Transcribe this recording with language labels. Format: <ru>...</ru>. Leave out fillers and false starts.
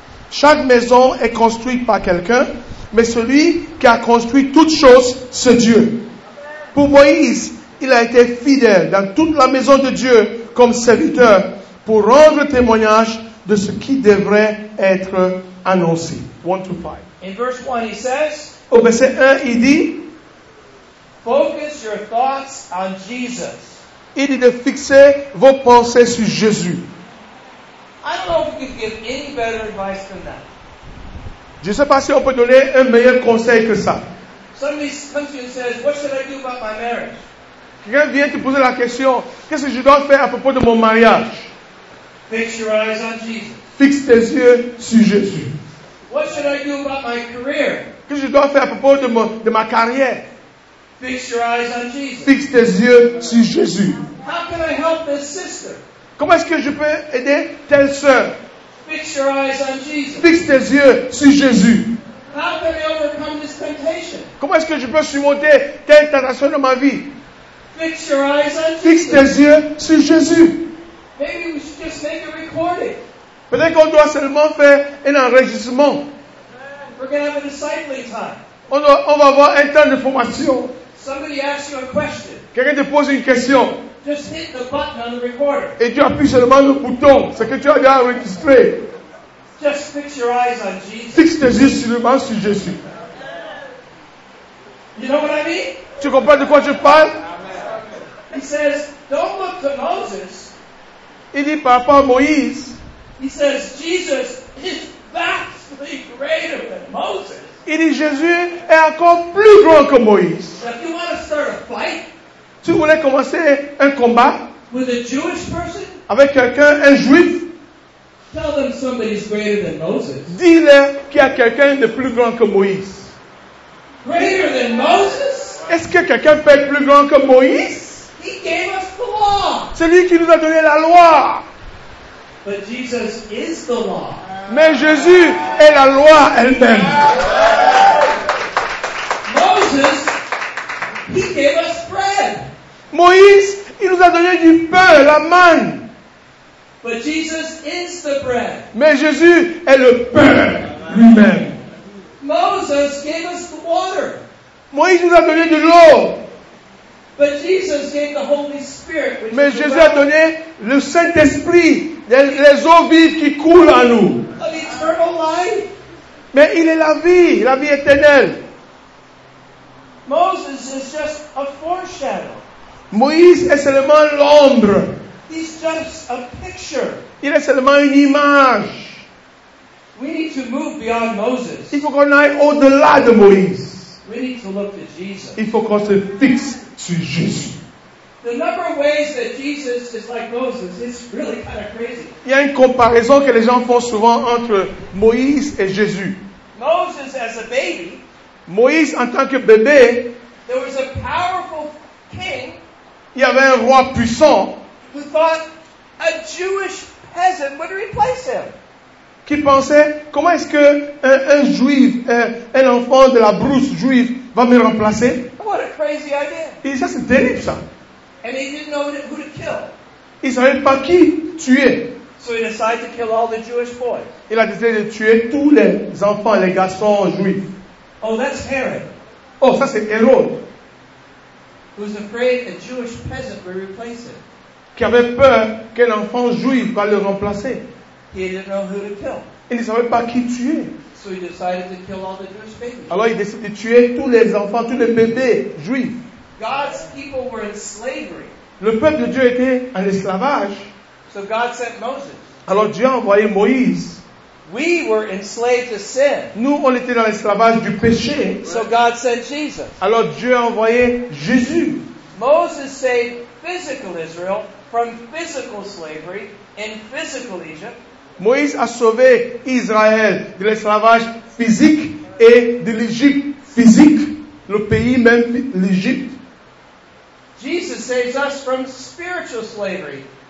<fr>Chaque maison est construite par quelqu'un, mais celui qui a construit toutes choses, c'est Dieu. Pour Moïse, il a été fidèle dans toute la maison de Dieu comme serviteur pour rendre témoignage de ce qui devrait être annoncé.</fr> <en>1 to 5. In verse 1, he says,</en> <fr>au verset 1, il dit,</fr> <en>focus your thoughts on Jesus.</en> <fr>Il dit de fixer vos pensées sur Jésus.</fr> <en>I don't know if we could give any better advice than that.</en> <fr>Je ne sais pas si on peut donner un meilleur conseil que ça.</fr> <en>Somebody comes to you and says, what should I do about my marriage?</en> <fr>Quelqu'un vient te poser la question, qu'est-ce que je dois faire à propos de mon mariage?</fr> <en>Fix your eyes on Jesus.</en> <fr>Fixe tes yeux sur Jésus.</fr> <en>What should I do about my career?</en> <fr>Qu'est-ce que je dois faire à propos de ma carrière?</fr> <en>Fix your eyes on Jesus.</en> <fr>Fixe tes yeux sur Jésus.</fr> <en>How can I help this sister?</en> <fr>Comment est-ce que je peux aider telle sœur?</fr> <en>Fix your eyes on Jesus.</en> <fr>Fixe tes yeux sur Jésus.</fr> <en>How can I overcome this temptation?</en> <fr>Comment est-ce que je peux surmonter telle tentation dans ma vie?</fr> <en>Fix your eyes on Jesus.</en> <fr>Fixe tes yeux sur Jésus.</fr> <en>Maybe we should just make a recording.</en> <fr>Peut-être qu'on doit seulement faire un enregistrement.</fr> <en>We're going to have a discipling time.</en> <fr>On va avoir un temps de formation.</fr> <en>Somebody asks you a question.</en> <fr>Quelqu'un te pose une question.</fr> <en>Just hit the button on the recorder.</en> <fr>Et tu appuies seulement le bouton, ce que tu as déjà enregistré.</fr> <en>Just fix your eyes on Jesus.</en> <fr>Fixe tes yeux seulement sur Jésus.</fr> <en>You know what I mean?</en> <fr>Tu comprends de quoi je parle?</fr> <en>He says, don't look to Moses.</en> <fr>Il dit par rapport à Moïse.</fr> <en>He says, Jesus is vastly greater than Moses.</en> <fr>Il dit, Jésus est encore plus grand que Moïse.</fr> <en>If you want to start a fight,</en> <fr>tu voulais commencer un combat</fr> <en>with a Jewish person,</en> <fr>avec quelqu'un, un juif,</fr> <en>tell them somebody's greater than Moses.</en> <fr>Dis-leur qu'il y a quelqu'un de plus grand que Moïse.</fr> <en>Greater than Moses?</en> <fr>Est-ce que quelqu'un peut être plus grand que Moïse?</fr> <en>He gave us the law.</en> <fr>C'est lui qui nous a donné la loi.</fr> <en>But Jesus is the law.</en> <fr>Mais Jésus est la loi elle-même.</fr> <en>Moses, he gave us bread.</en> <fr>Moïse, il nous a donné du pain, la manne.</fr> <en>But Jesus is the bread.</en> <fr>Mais Jésus est le pain lui-même.</fr> <en>Moses gave us the water.</en> <fr>Moïse nous a donné de l'eau.</fr> <en>But Jesus gave the Holy Spirit, which</en> <fr>Mais Jésus a donné le Saint-Esprit, les eaux vives qui coulent en nous.</fr> <en>An eternal life.</en> <fr>Mais il est la vie éternelle.</fr> <en>Moses is just a foreshadow.</en> <fr>Moïse est seulement l'ombre.</fr> <en>He's just a picture.</en> <fr>Il est seulement une image.</fr> <en>We need to move beyond Moses.</en> <fr>Il faut qu'on aille au-delà de Moïse.</fr> <en>We need to look to Jesus.</en> <fr>Il faut qu'on se fixe sur Jésus.</fr> <en>The number of ways that Jesus is like Moses is really kind of crazy.</en> <fr>Il y a une comparaison que les gens font souvent entre Moïse et Jésus.</fr> <en>Moses as a baby.</en> <fr>Moïse en tant que bébé.</fr> <en>There was a powerful king.</en> <fr>Il y avait un roi puissant.</fr> <en>Who thought a Jewish peasant would replace him.</en> <fr>Qui pensait, comment est-ce que un juif, un enfant de la brousse juive va me remplacer?</fr> <en>What a crazy idea.</en> <fr>Et ça, c'est terrible, ça.</fr> <en>And he didn't know who to kill.</en> <fr>Il ne savait pas qui tuer.</fr> <en>So he decided to kill all the Jewish boys.</en> <fr>Il a décidé de tuer tous les enfants, les garçons juifs.</fr> <en>Oh, that's Herod.</en> <fr>Oh, ça, c'est Hérode.</fr> <en>Who was afraid a Jewish peasant would replace him.</en> <fr>Qui avait peur qu'un enfant juif va le remplacer.</fr> <en>He didn't know who to kill.</en> <fr>Il ne savait pas qui tuer.</fr> <en>So he decided to kill all the Jewish babies.</en> <fr>Alors il décide de tuer tous les enfants, tous les bébés juifs.</fr> <en>God's people were in slavery.</en> <fr>Le peuple de Dieu était en esclavage.</fr> <en>So God sent Moses.</en> <fr>Alors Dieu a envoyé Moïse.</fr> <en>We were enslaved to sin.</en> <fr>Nous, on était dans l'esclavage du péché.</fr> <en>So God sent Jesus.</en> <fr>Alors Dieu a envoyé Jésus.</fr> <en>Moses saved physical Israel from physical slavery in physical Egypt.</en> <fr>Moïse a sauvé Israël de l'esclavage physique et de l'Égypte physique, le pays même l'Égypte.</fr> <en>Jesus saves us from spiritual slavery.</en>